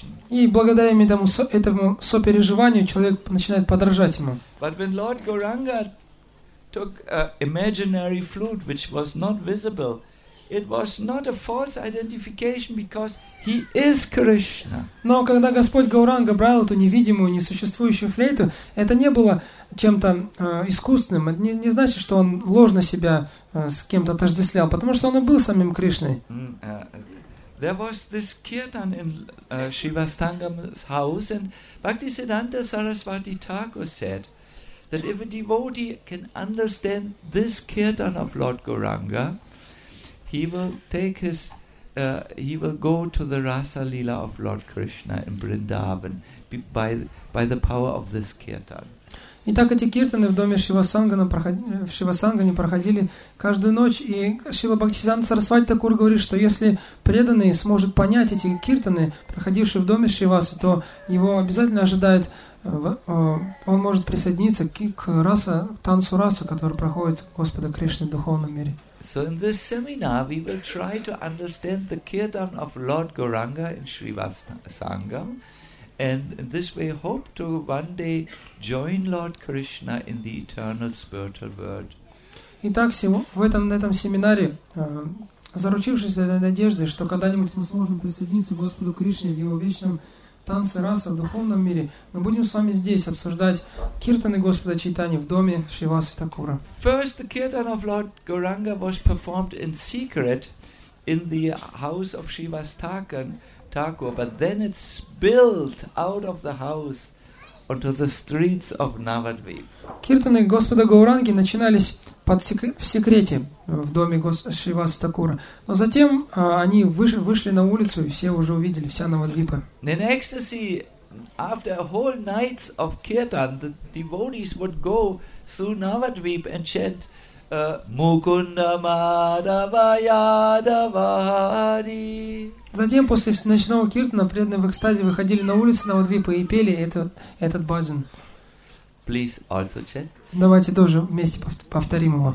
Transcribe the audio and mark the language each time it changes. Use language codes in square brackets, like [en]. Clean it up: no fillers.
[ru] И благодаря этому сопереживанию человек начинает подражать ему. [en] But when Lord Gauranga took an imaginary flute, which was not visible, it was not a false identification because he is Krishna. [ru] Но когда Господь Гауранга брал эту невидимую, несуществующую флейту, это не было чем-то искусственным. Это не значит, что он ложно себя с кем-то отождествлял, потому что он и был самим Кришной. [en] There was this kirtan in Shivastangam's house, and Bhaktisiddhanta Saraswati Thakur said that if a devotee can understand this kirtan of Lord Gauranga, he will go to the Rasa Lila of Lord Krishna in Vrindavan by the power of this kirtan. [ru] И так эти киртаны в доме Шивасангане проходили каждую ночь, и Шрила Бхактисиддханта Сарасвати Такур говорит, что если преданный сможет понять эти киртаны, проходившие в доме Шивасы, то его обязательно ожидает, он может присоединиться к раса, танцу раса, который проходит Господа Кришны в духовном мире. [en] So in this seminar we will try to understand the kirtan of Lord Gauranga in Shrivasangam, And this way, hope to one day join Lord Krishna in the eternal spiritual world. [ru] Итак, в этом на этом семинаре, заручившись этой надеждой, что когда-нибудь мы сможем присоединиться к Господу Кришне в его вечном танце раса в духовном мире, мы будем с вами здесь обсуждать киртаны Господа Чайтани в доме Шривасы Такура. [en] First, the kirtan of Lord Gauranga was performed in secret in the house of Shrivas Thakur, but then it spilled out of the house onto the streets of Navadvip. [ru] Киртаны Господа Гауранги начинались под в секрете в доме Шривас Такура, но затем они вышли на улицу, и все уже увидели, вся Навадвипа. [en] In ecstasy, after whole nights of kirtan, the devotees would go through Navadvip and chant Mukunda Madhava Yadava Hari. [ru] Затем, после ночного киртана, преданные в экстазе выходили на улицу Навадвипа и пели этот баджан. [en] Please also chant. [ru] Давайте тоже вместе повторим его.